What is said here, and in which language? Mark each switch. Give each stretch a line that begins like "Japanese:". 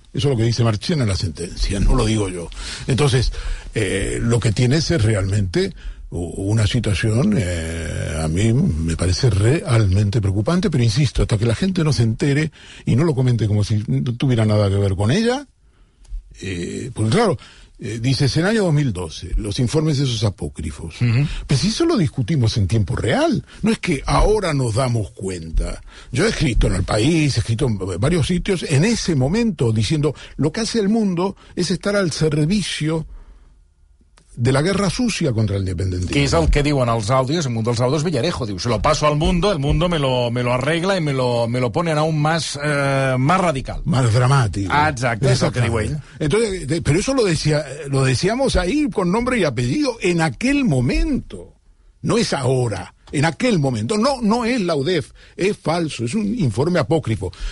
Spanish: Eso es lo que dice Marchena en la sentencia, no lo digo yo. Entonces, lo que tiene es realmente una situación, a mí me parece realmente preocupante, pero insisto, hasta que la gente no se entere y no lo comente como si no tuviera nada que ver con ella, porque claro, dices en año 2012, los informes de esos apócrifos, pues eso lo discutimos en tiempo real, no es que ahora nos damos cuenta. Yo he escrito en El País, he escrito en varios sitios, en ese momento, diciendo, lo que hace el mundo es estar al servicio de la guerra sucia contra el independentismo.
Catalan: Que és el que diuen els àudios, el mundo dels àudios, Villarejo. Diu,
Spanish: se lo paso al mundo, el mundo me lo arregla y me lo pone en aún más radical. Más dramático. Exacto, es lo que
Catalan: diu ell.
Spanish: Entonces, pero eso lo decíamos ahí con nombre y apellido en aquel momento. No es ahora, en aquel momento. No es la UDEF, es falso, es un informe apócrifo.